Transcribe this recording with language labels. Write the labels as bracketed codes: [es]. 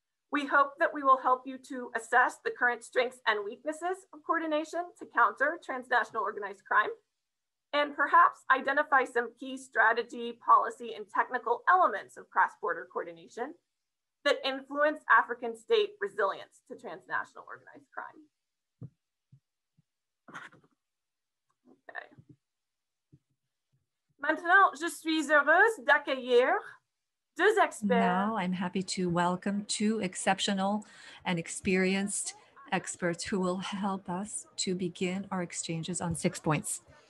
[en] We hope that we will help you to assess the current strengths and weaknesses of coordination to counter transnational organized crime, and perhaps identify some key strategy, policy, and technical elements of cross-border coordination that influence African state resilience to transnational organized crime. Okay. [fr] Maintenant, je suis heureuse d'accueillir deux experts. [en] Now I'm happy to welcome two exceptional and experienced experts who will help us to begin our exchanges on 6 points.